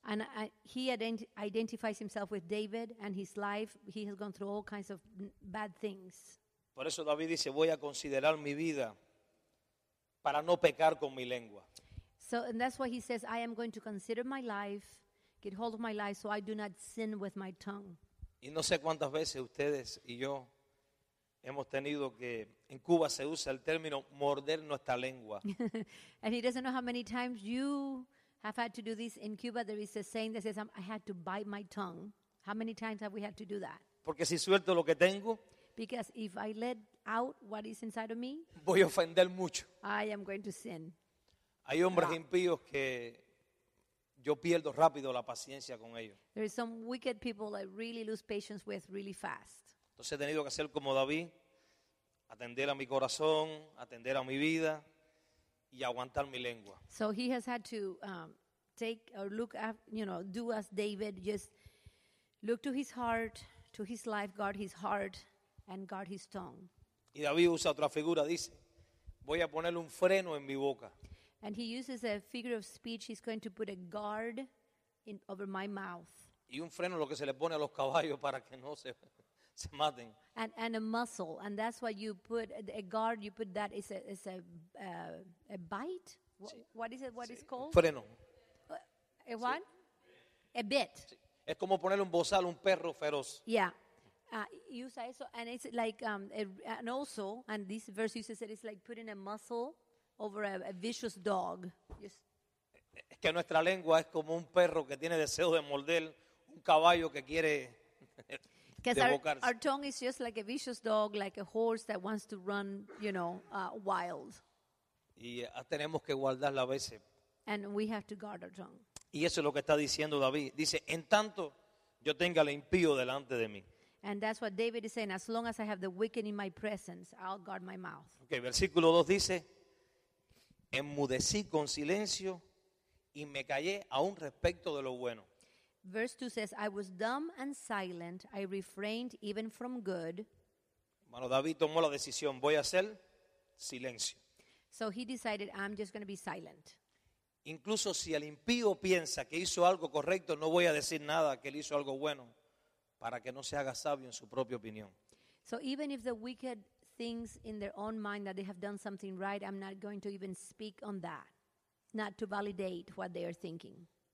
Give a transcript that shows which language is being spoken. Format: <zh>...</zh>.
<en>And he identifies himself with David and his life. He has gone through all kinds of bad things.</en> <es>Por eso David dice, voy a considerar mi vida para no pecar con mi lengua.</es> <en>So, and that's why he says, I am going to consider my life, get hold of my life, so I do not sin with my tongue.</en> <es>Y no sé cuántas veces ustedes y yo hemos tenido que, en Cuba se usa el término morder nuestra lengua.</es> <en>And he doesn't know how many times you have had to do this. In Cuba, there is a saying that says, I had to bite my tongue. How many times have we had to do that?</en> <es>Porque si suelto lo que tengo,</es> <en>because if I let out what is inside of me,</en> <es>voy a ofender mucho.</es> <en>I am going to sin.</en> <es>Hay hombres impíos que yo pierdo rápido la paciencia con ellos.</es> <en>There are some wicked people I really lose patience with really fast.</en> <es>Entonces he tenido que hacer como David, atender a mi corazón, atender a mi vida y aguantar mi lengua.</es> <en>So he has had to take or look at, you know, do as David, just look to his heart, to his life, guard his heart, and guard his tongue.</en> <es>Y David usa otra figura, dice, voy a ponerle un freno en mi boca.</es> <en>And he uses a figure of speech, he's going to put a guard in over my mouth.</en> <es>Y un freno lo que se le pone a los caballos para que no se maten.</es> <en>And a muzzle, and that's why you put a guard, you put that, it's a bite? Sí. What is it, what sí. Is called?</en> <es>Freno.</es> <en>A what? Sí. A bit. Sí.</en> <es>Es como ponerle un bozal a un perro feroz.</es> <en>Yeah. Use also, and it's like and also, and this verse uses it. It's like putting a muscle over a vicious dog.</en> <es>Es que nuestra lengua es como un perro que tiene deseo de morder un caballo que quiere devorarse.</es> <en>Because our tongue is just like a vicious dog, like a horse that wants to run, you know, wild.</en> <es>Y tenemos que guardarla a veces.</es> <en>And we have to guard our tongue.</en> <es>Y eso es lo que está diciendo David. Dice, en tanto yo tenga el impío delante de mí.</es> <en>And that's what David is saying. As long as I have the wicked in my presence, I'll guard my mouth.</en> <es>Okay, versículo 2 dice, enmudecí con silencio y me callé aún respecto de lo bueno.</es> <en>Verse 2 says, I was dumb and silent. I refrained even from good.</en> <es>Bueno, David tomó la decisión. Voy a hacer silencio.</es> <en>So he decided, I'm just going to be silent.</en> <es>Incluso si el impío piensa que hizo algo correcto, no voy a decir nada que él hizo algo bueno. Para que no se haga sabio en su propia opinión.</es> <en>So even if the wicked thinks in their own mind that they have done something right, I'm not going to even speak on that, not to validate what they are thinking.</en>